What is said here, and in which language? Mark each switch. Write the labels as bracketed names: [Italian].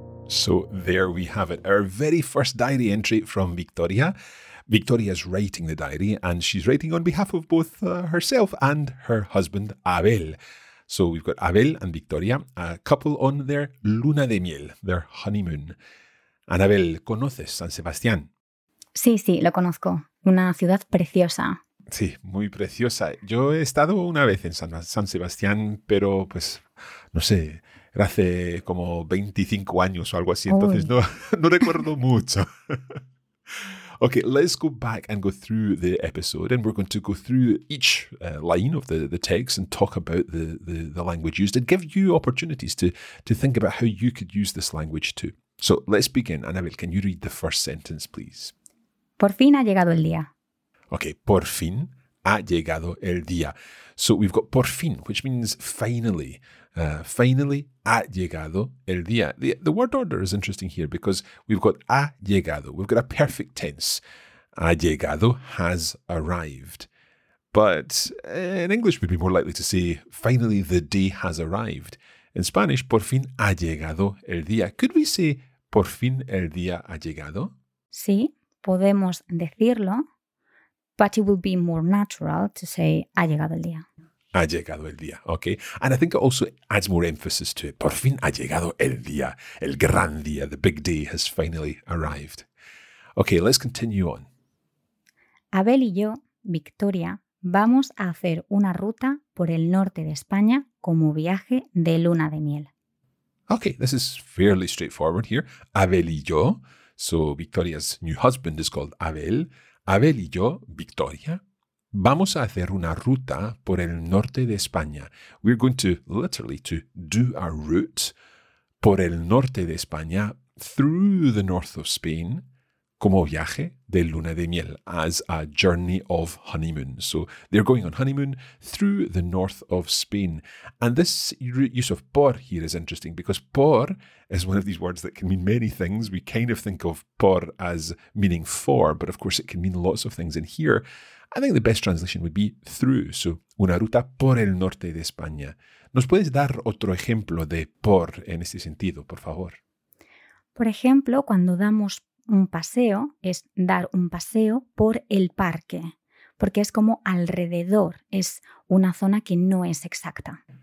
[English] So there we have it, our very first diary entry from Victoria. Victoria is writing the diary and she's writing on behalf of both herself and her husband, Abel. So we've got Abel and Victoria, a couple on their [Spanish] luna de miel, [English] their honeymoon. [Spanish] And Abel, ¿conoces San Sebastián? Sí, sí, lo conozco. Una ciudad preciosa. Sí, muy preciosa. Yo he estado una vez en San Sebastián, pero pues, no sé, era hace como 25 años o algo así, entonces no recuerdo mucho. [English] Okay, let's go back and go through the episode, and we're going to go through each line of the text and talk about the language used and give you opportunities to think about how you could use this language too. So let's begin. Anabel, can you read the first sentence, please? [Spanish] Por fin ha llegado el día. Okay, por fin ha llegado el día. [English] So we've got [Spanish] por fin, [English] which means finally. [Spanish] Finally, ha llegado el día. [English] The word order is interesting here because we've got [Spanish] ha llegado. [English] We've got a perfect tense. [Spanish] Ha llegado [English] has arrived. But in English, we'd be more likely to say finally the day has arrived. In Spanish, [Spanish] por fin ha llegado el día. [English] Could we say [Spanish] por fin el día ha llegado? Sí. Podemos decirlo, [English] but it will be more natural to say [Spanish] ha llegado el día. Ha llegado el día, okay. [English] And I think it also adds more emphasis to it. [Spanish] Por fin ha llegado el día. El gran día, [English] the big day has finally arrived. Okay, let's continue on. [Spanish] Abel y yo, Victoria, vamos a hacer una ruta por el norte de España como viaje de luna de miel. [English] Okay, this is fairly straightforward here. [Spanish] Abel y yo... [English] So Victoria's new husband is called Abel. [Spanish] Abel y yo, Victoria, vamos a hacer una ruta por el norte de España. [English] We're going to literally to do a route [Spanish] por el norte de España, [English] through the north of Spain, [Spanish] como viaje de luna de miel, [English] as a journey of honeymoon. So they're going on honeymoon through the north of Spain. And this use of por here is interesting because por is one of these words that can mean many things. We kind of think of por as meaning for, but of course it can mean lots of things. And here, I think the best translation would be through. [Spanish] So una ruta por el norte de España. ¿Nos puedes dar otro ejemplo de por en este sentido, por favor? Por ejemplo, cuando damos un paseo es dar un paseo por el parque, porque es como alrededor, es una zona que no es exacta.